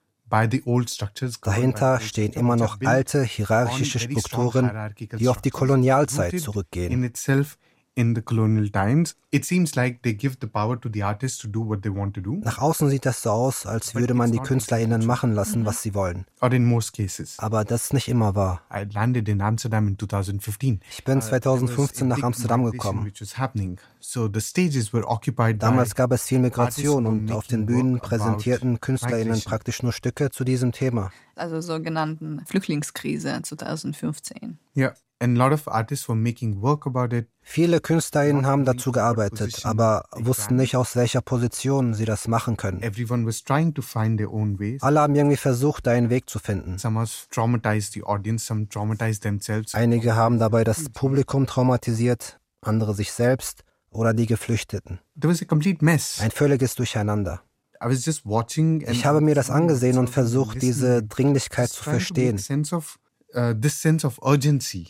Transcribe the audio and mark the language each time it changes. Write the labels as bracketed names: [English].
[German] Dahinter stehen immer noch alte hierarchische Strukturen, die auf die Kolonialzeit zurückgehen. [English] In the colonial times, it seems like they give the power to the artists to do what they want to do. [German] Nach außen sieht das so aus, als würde man die KünstlerInnen machen lassen, was sie wollen. [English] Or in most cases. [German] Aber das ist nicht immer wahr. [English] I landed in Amsterdam in 2015. [German] Ich bin 2015 nach Amsterdam gekommen. [English] So the stages were occupied. [German] Damals gab es viel Migration und auf den Bühnen präsentierten KünstlerInnen praktisch nur Stücke zu diesem Thema. Also sogenannten Flüchtlingskrise 2015. Ja. [English] And a lot of artists were making work about it. [German] Viele KünstlerInnen haben dazu gearbeitet, aber wussten nicht, aus welcher Position sie das machen können. [English] Everyone was trying to find their own ways. [German] Alle haben irgendwie versucht, einen Weg zu finden. [English] Some has traumatized the audience, some traumatized themselves. [German] Einige haben dabei das Publikum traumatisiert, andere sich selbst oder die Geflüchteten. [English] There was a complete mess. [German] Ein völliges Durcheinander. [English] I was just watching and [German] ich habe mir das angesehen und versucht, diese Dringlichkeit zu verstehen. [English] This sense of urgency.